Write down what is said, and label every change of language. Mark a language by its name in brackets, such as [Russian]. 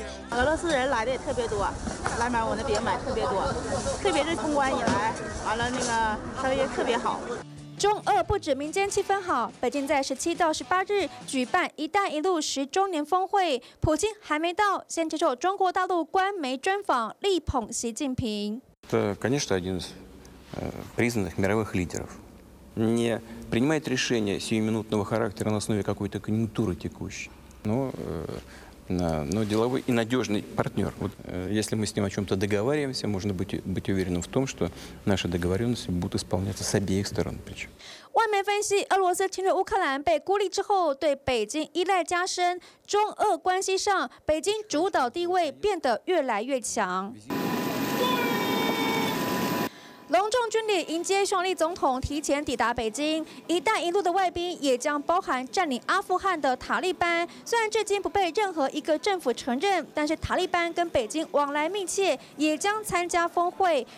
[Chinese] 俄罗斯人来的也特别多，来买我那边买特别多，特别是通关以来，完了那个生意特别好。中俄不止民间气氛好，北京在17到18日举办“一带一路”10周年峰会，普京还没到，先接受中国大陆官媒专访，力捧习近平。 [Russian] Это, конечно, один из признанных мировых лидеров. Не принимает решения сиюминутного характера на основе какой-то конъюнктуры текущей, но деловой и надежный партнер. Вот, если мы с ним о чем-то договариваемся, можно быть уверенным в том, что наши договоренности будут исполняться с обеих сторон. Причем. [Chinese] 外媒分析，俄罗斯侵略乌克兰被孤立之后，对北京依赖加深，中俄关系上北京主导地位变得越来越强。隆重军礼迎接匈牙利总统提前抵达北京，一带一路的外宾也将包含占领阿富汗的塔利班，虽然至今不被任何一个政府承认，但是塔利班跟北京往来密切，也将参加峰会。